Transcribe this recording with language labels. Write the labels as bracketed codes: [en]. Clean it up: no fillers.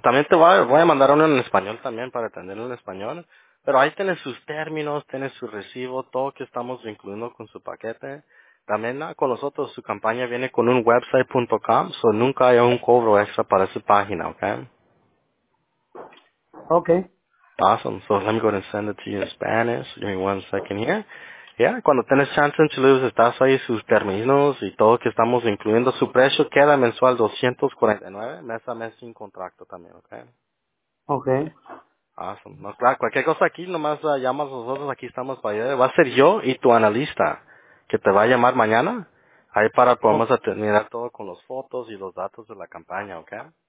[es] También te voy a mandar uno en español también para atenderlo en español. Pero ahí tienes sus términos, tienes su recibo, todo que estamos incluyendo con su paquete. También con nosotros, su campaña viene con un website.com, so nunca hay un cobro extra para esa página, ¿ok? Okay. [en] Awesome. So let me go ahead and send it to you in Spanish. Give me 1 second here. [es] Yeah, cuando tienes chance en Chile, estás ahí sus términos y todo que estamos incluyendo. Su precio queda mensual $249, mes a mes sin contrato también, okay. Okay. [en] Awesome. [es] No, claro, cualquier cosa aquí, nomás llamas a nosotros, aquí estamos para ayudar. Va a ser yo y tu analista, que te va a llamar mañana, ahí para podemos terminar todo con las fotos y los datos de la campaña, okay.